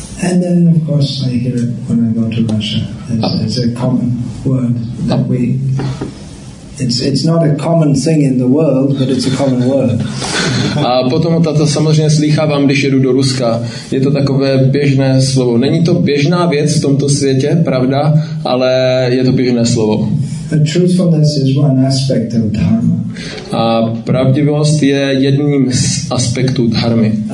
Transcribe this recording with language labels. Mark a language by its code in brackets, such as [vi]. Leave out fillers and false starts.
[en] And then of course I hear it when I go to Russia. It's a common word that we It's not a common thing in the world, but it's a common word. [cs] A potom to samozřejmě slýchávám, když jedu do Ruska. Je to takové běžné slovo. Není to běžná věc v tomto světě, pravda, ale je to běžné slovo. [en] But truthfulness is one aspect of dharma. [cs] A pravdivost je jedním z aspektů dharmy.